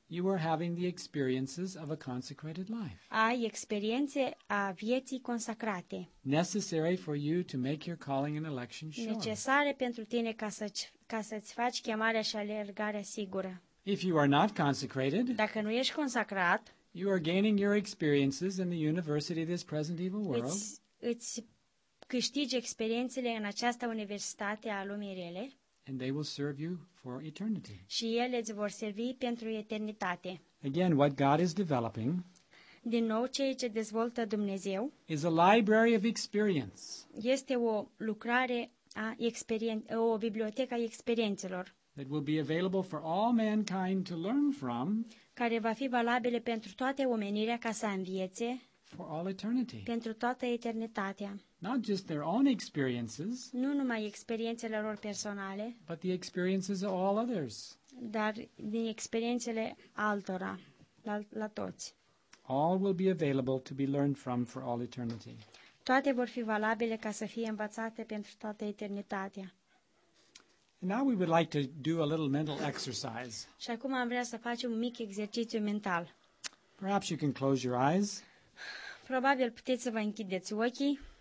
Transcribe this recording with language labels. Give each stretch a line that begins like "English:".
English: you are having the experiences of a consecrated life.
Romanian: Ai experiențe a vieții consacrate.
English: Necessary for you to make your calling and election sure.
Romanian: Necesare pentru tine ca să-ți faci chemarea și alergarea sigură.
English: If you are not consecrated,
Romanian: dacă nu ești consacrat,
English: you are gaining your experiences in the university of this present evil world.
Romanian: Îți câștigi experiențele în această universitate a lumii rele.
English: And they will serve you for eternity.
Romanian: Și ele îți vor servi pentru eternitate.
English: Again, what God is developing,
Romanian: din nou, ceea ce dezvoltă Dumnezeu,
English: is a library of experience.
Romanian: Este o lucrare a o bibliotecă a experiențelor.
English: That will be available for all mankind to learn from.
Romanian: Care va fi valabilă pentru toată omenirea ca să învețe.
English: For all eternity.
Romanian: Pentru toată eternitatea.
English: Not just their own experiences.
Romanian: Nu numai experiențele lor personale.
English: But the experiences of all others.
Romanian: Dar din experiențele altora, la toți.
English: All will be available to be learned from for all eternity.
Romanian: Toate vor fi valabile ca să fie învățate pentru toată eternitatea.
English: And now we would like to do a little mental exercise.
Romanian: Și acum am vrea să facem un mic exercițiu mental.
English: Perhaps you can close your eyes.
Romanian: Probabil puteți să vă închideți ochii.